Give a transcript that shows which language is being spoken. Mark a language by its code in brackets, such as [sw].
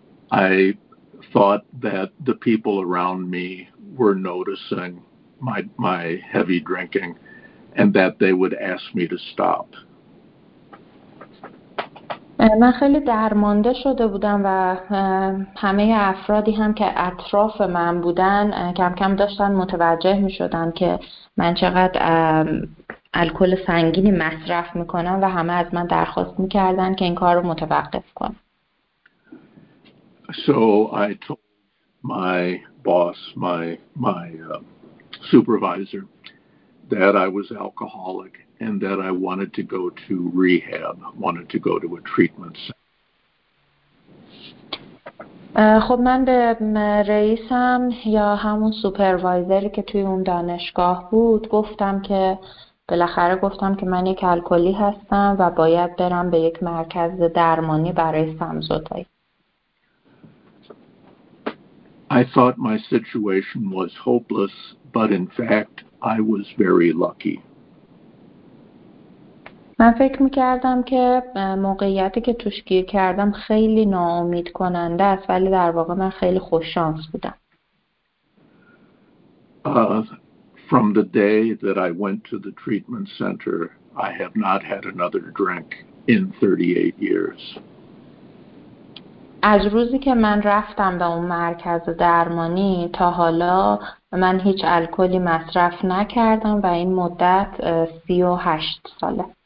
[en] I thought that the people around me were noticing my heavy drinking and that they would ask me to stop. [fa] من خیلی درمانده شده بودم و همه افرادی هم که اطراف من بودن کم کم داشتن متوجه می شدن که من چقدر الکل سنگینی مصرف می کنم و همه از من درخواست می کردن که این کار رو متوقف کنم. [en] So I told my boss, my supervisor, that I was alcoholic. And that I wanted to go to rehab, wanted to go to a treatment center. [fa] خب من به رئیسم یا همون سوپروایزری که توی اون دانشگاه بود گفتم که بالاخره گفتم که من یک الکلی هستم و باید برم به یک مرکز درمانی برای سمزدایی. [en] I thought my situation was hopeless, but in fact I was very lucky. [fa] من فکر میکردم که موقعیتی که توش گیر کردم خیلی ناامید کننده است، ولی در واقع من خیلی خوششانس بودم. [en] From the day that I went to the treatment center, I have not had another drink in 38 years. [fa] از روزی که من رفتم به اون مرکز درمانی تا حالا من هیچ الکلی مصرف نکردم و این مدت 38 ساله.